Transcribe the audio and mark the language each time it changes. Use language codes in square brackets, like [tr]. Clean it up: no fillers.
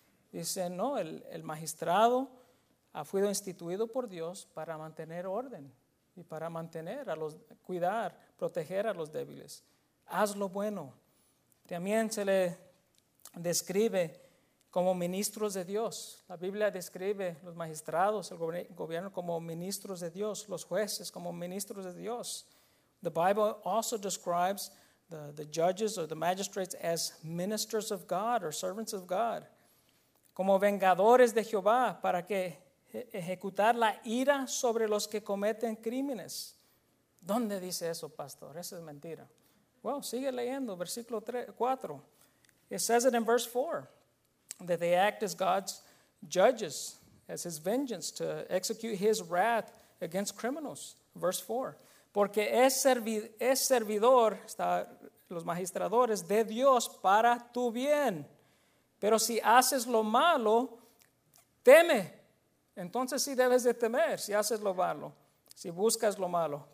[es] Dicen, no, el magistrado ha sido instituido por Dios para mantener orden y para mantener, cuidar, proteger a los débiles. Haz lo bueno. También se le describe como ministros de Dios. La Biblia describe los magistrados, el gobierno como ministros de Dios, los jueces como ministros de Dios. [en] The Bible also describes the judges or the magistrates as ministers of God or servants of God. [es] Como vengadores de Jehová para que ejecutar la ira sobre los que cometen crímenes. ¿Dónde dice eso, pastor? Esa es mentira. [en] Well, [es] sigue leyendo, versículo 4. [en] It says it in verse 4, that they act as God's judges, as his vengeance to execute his wrath against criminals. Verse 4. [es] Porque es servidor, está los magistradores, de Dios para tu bien. Pero si haces lo malo, teme. Entonces sí debes de temer si haces lo malo, si buscas lo malo.